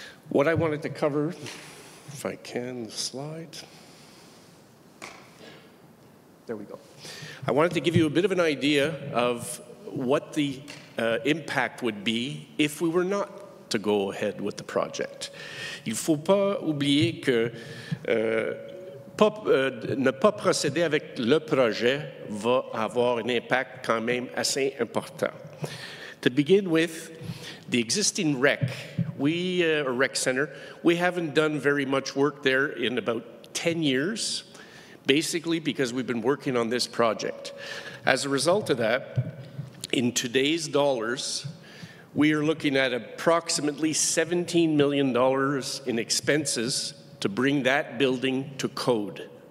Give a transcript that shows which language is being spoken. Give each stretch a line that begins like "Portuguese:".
English: What I wanted to cover, if I can, the slide. There we go. I wanted to give you a bit of an idea of what the impact would be if we were not to go ahead with the project.
French: Il ne faut pas oublier que ne pas procéder avec le projet va avoir un impact quand même assez important.
English: To begin with, the existing REC, we haven't done very much work there in about 10 years, basically because we've been working on this project. As a result of that, in today's dollars, we are looking at approximately $17 million in expenses to bring that building to code.